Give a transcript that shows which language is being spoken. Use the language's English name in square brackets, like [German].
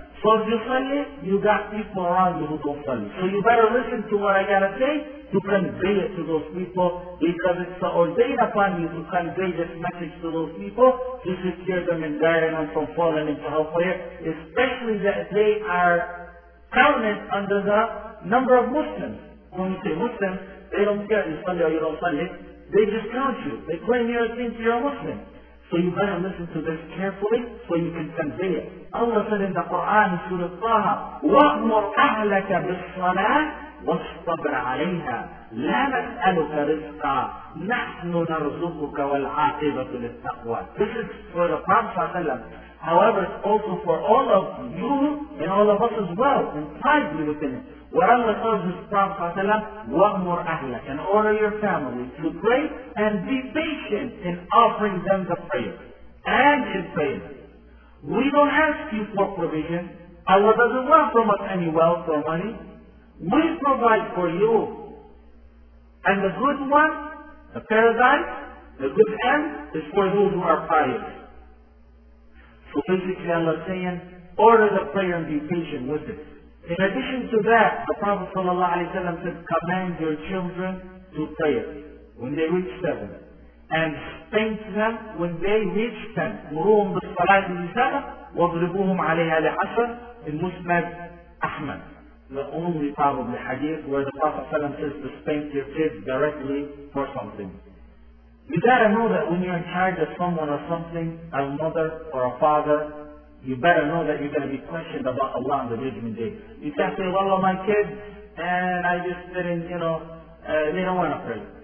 [English] So if you study, you got people around you who don't study. So you better listen to what I gotta say to convey it to those people, because it's ordained upon you to convey this message to those people, to secure them and guide them from falling into hellfire, especially that they are counted under the number of Muslims. When you say Muslims, they don't care if you study or you don't study. They discount you. They claim you think you're a Muslim. So you better listen to this carefully so you can convey it. Allah said in the Quran, Surah Taha, [Arabic] وَأْمُرْ أَهْلَكَ بِالصَّلَاةِ وَاصْطَبِرْ عَلَيْهَا لَا نَسْأَلُكَ رِزْقًا نَحْنُ نَرْزُقُكَ وَالْعَاقِبَةُ لِلتَّقْوَى. [English] This is for the Prophet. However, it's also for all of you and all of us as well, inside you within it. What Allah tells His Prophet ﷺ, [Arabic] وَأْمُرْ أَهْلَكَ, [English] and order your family to pray and be patient in offering them the prayer and in prayer. We don't ask you for provision. Allah doesn't want from us any wealth or money. We provide for you. And the good one, the paradise, the good end, is for those who are pious. So basically Allah is saying, order the prayer and be patient with it. In addition to that, the Prophet ﷺ said, command your children to pray when they reach 7. And spank them when they reach 10. [Arabic] مُرُوهُمْ بِالصَّلَاةِ لِسَبْعٍ وَاضْرِبُوهُمْ عَلَيْهَا لِعَشْرٍ [English] in Musnad Ahmad. The only probably hadith where the Prophet ﷺ says to spank your kids directly for something. You gotta know that when you're in charge of someone or something, a mother or a father, you better know that you're going to be questioned about Allah on the judgment day. You can't say, well, my kids, and I just didn't, they don't want to pray.